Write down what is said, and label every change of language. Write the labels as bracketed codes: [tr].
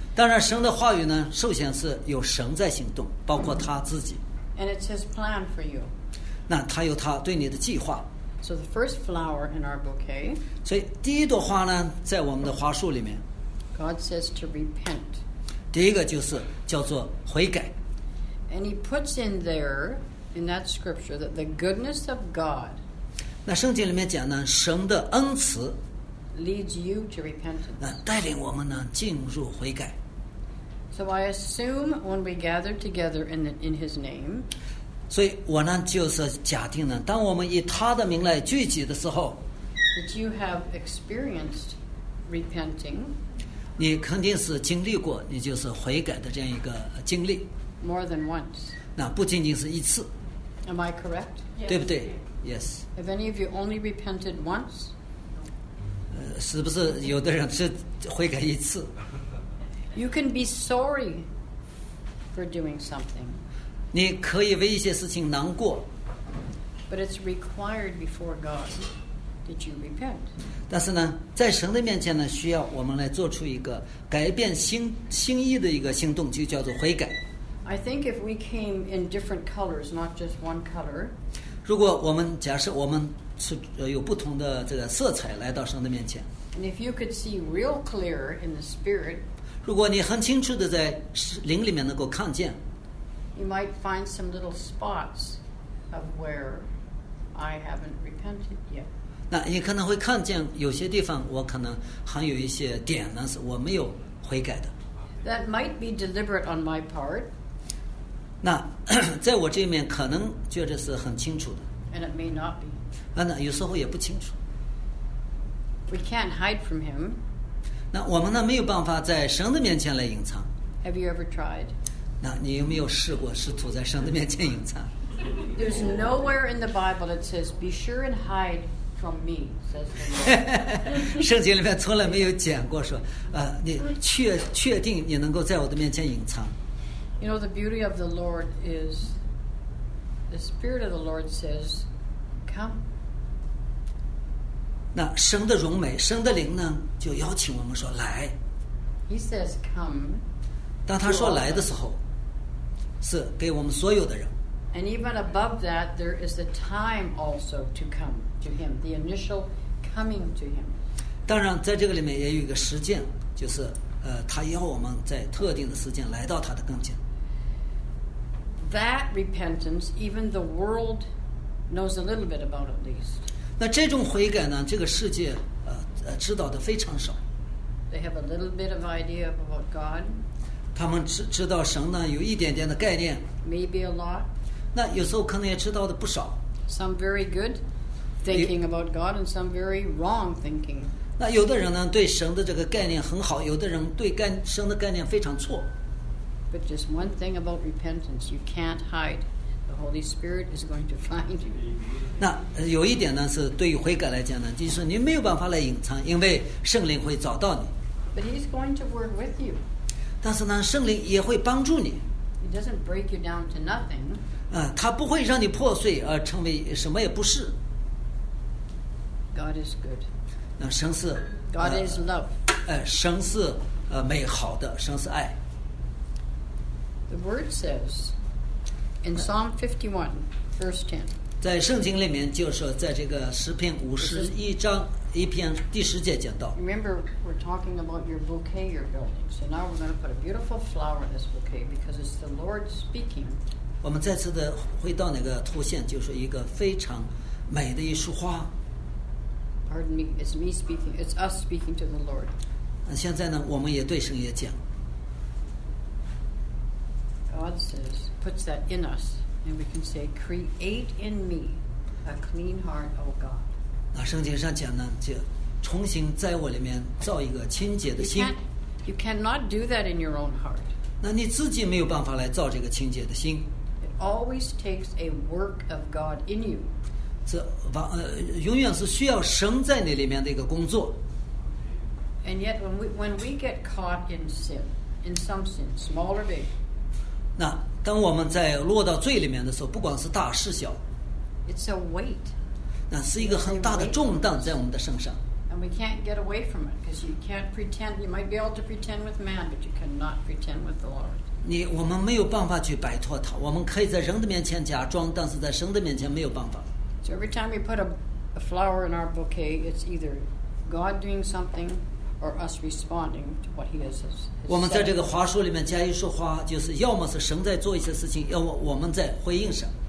[zh] 当然，神的话语呢，首先是有神在行动，包括他自己。 [en] And it's His plan for you. [zh] 那他有他对你的计划。 [en] So the first flower in our bouquet. [zh] 所以第一朵花呢，在我们的花束里面。 [en] God says to repent. [zh] 第一个就是叫做悔改。 [en] And He puts in there in that scripture that the goodness of God. [zh] 那圣经里面讲呢，神的恩慈。 [en] Leads you to repentance. [zh] 那带领我们呢，进入悔改。 [en] So I assume when we gather together in His name. [zh] 所以我呢，就是假定呢，当我们以他的名来聚集的时候 [en] ，That you have experienced repenting， [zh] 你肯定是经历过，你就是悔改的这样一个经历。 [en] More than once， [zh] 那不仅仅是一次。 [en] Am I correct？ Yes. [zh] 对不对 ？ [en] Yes。 Have any of you only repented once？ [zh] 是不是有的人是悔改一次 [en] ？You can be sorry for doing something。 [zh] 你可以为一些事情难过 [en] ，But it's required before God that you repent. [zh] 但是呢，在神的面前呢，需要我们来做出一个改变心意的一个行动，就叫做悔改。 [en] I think if we came in different colors, not just one color. [zh] 如果我们假设我们是有不同的这个色彩来到神的面前 [en] ，And if you could see real clear in the spirit. [zh] 如果你很清楚的在灵里面能够看见。 [en] You might find some little spots of where I haven't repented yet. [zh] 那你可能会看见有些地方我可能还有一些点呢是我没有悔改的。 [en] That might be deliberate on my part. [zh] 那在我这面可能觉得是很清楚的。 [en] And it may not be. [zh] 那有时候也不清楚。 [en] We can't hide from Him. [zh] 那我们呢没有办法在神的面前来隐藏。 [en] Have you ever tried? [zh] 那你有没有试过试图在神的面前隐藏 [en] ？There's nowhere in the Bible that says be sure and hide from me. Says the Lord. [zh] 圣经里面从来没有讲过说，你确定你能够在我的面前隐藏 [en] ？You know the beauty of the Lord is the Spirit of the Lord says, come. [zh] 那神的荣美，神的灵呢，就邀请我们说来。 [en] He says, come. [zh] 当他说来的时候。是给我们所有的人。 [en] And even above that, there is a time also to come to Him, the initial coming to Him. [zh] 当然，在这个里面也有一个时间，就是他要我们在特定的时间来到他的跟前。 [en] that repentance, even the world knows a little bit about at least. [zh] 那这种悔改呢？这个世界知道的非常少。 [en] They have a little bit of idea about God. [zh] 他们知道神呢，有一点点的概念。 [en] Maybe a lot. [zh] 那有时候可能也知道的不少。 [en] Some very good thinking about God, and some very wrong thinking. [zh] 那有的人呢，对神的这个概念很好；有的人对神的概念非常错。 [en] But just one thing about repentance, you can't hide. The Holy Spirit is going to find you. [zh] 那有一点呢，是对于悔改来讲呢，就是你没有办法来隐藏，因为圣灵会找到你。 [en] But He's going to work with you. [zh] 但是呢，圣灵也会帮助你。 [en] He doesn't break you down to nothing. [zh] 他不会让你破碎而成为什么也不是。 [en] God is good. [zh] 那神是。 [en] God is love. [zh] 神是美好的，神是爱。 [en] The word says in Psalm 51, verse 10. [zh] 在圣经里面就是在这个诗篇五十一章一篇第十节讲到。 [en] Remember, we're talking about your bouquet you're building. So now we're going to put a beautiful flower in this bouquet because it's the Lord speaking. [zh] 我们再次的回到那个图像，就是一个非常美的一束花。 [en] Pardon me, it's me speaking. It's us speaking to the Lord. [zh] 现在呢，我们也对神也讲。 [en] God says, puts that in us, and we can say, create in me a clean heart, O God. [zh] 那圣经上讲呢，就重新在我里面造一个清洁的心。 [en] You cannot do that in your own heart. [zh] 那你自己没有办法来造这个清洁的心。 [en] It always takes a work of God in you. [zh] 这永远是需要神在你里面的一个工作。 [en] And yet, when we get caught in sin, in some sin, small or big. [zh] 那当我们在落到罪里面的时候，不管是大是小， [en] It's a weight. [zh] 那是一个很大的重担在我们的身上。 [en] And we can't get away from it because you can't pretend. You might be able to pretend with man, but you cannot pretend with the Lord. [zh] 我们没有办法去摆脱它。我们可以在人的面前假装，但是在神的面前没有办法。 [en] So every time we put a flower in our bouquet, it's either God doing something. Or us responding to what he has said. [zh] 我们在这个花束里面加一束花，就是要么是神在做一些事情，要么我们在回应神。